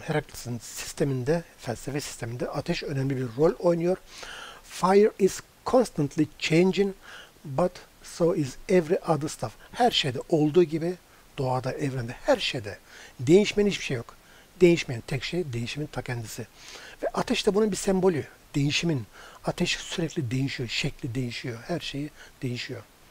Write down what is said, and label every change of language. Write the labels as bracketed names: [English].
[Turkish] Heraclitus'un sisteminde, felsefe sisteminde ateş önemli bir rol oynuyor. [English] Fire is constantly changing, but so is every other stuff. [Turkish] Her şeyde olduğu gibi, doğada, evrende, her şeyde değişmenin hiçbir şey yok. Değişmeyen tek şey değişimin ta kendisi. Ve ateş de bunun bir sembolü. Değişimin. Ateş sürekli değişiyor, şekli değişiyor, her şeyi değişiyor.